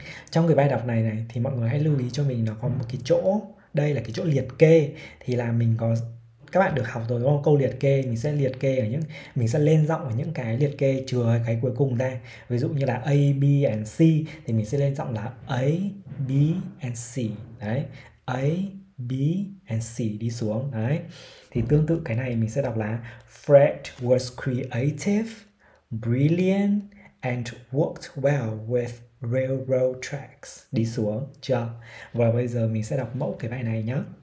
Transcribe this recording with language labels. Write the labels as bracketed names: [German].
[Vietnamese] Trong cái bài đọc này này thì mọi người hãy lưu ý cho mình nó có một cái chỗ, đây là cái chỗ liệt kê thì là mình có các bạn được học rồi đúng không? Câu liệt kê mình sẽ liệt kê ở những mình sẽ lên giọng ở những cái liệt kê chừa cái cuối cùng ra. Ví dụ như là A, B and C thì mình sẽ lên giọng là A, B and C. Đấy. A, B and C đi xuống. Đấy. Thì tương tự cái này mình sẽ đọc là [English] Fred was creative, brilliant and worked well with railroad tracks. [Vietnamese] Đi xuống chưa? Và bây giờ mình sẽ đọc mẫu cái bài này nhé.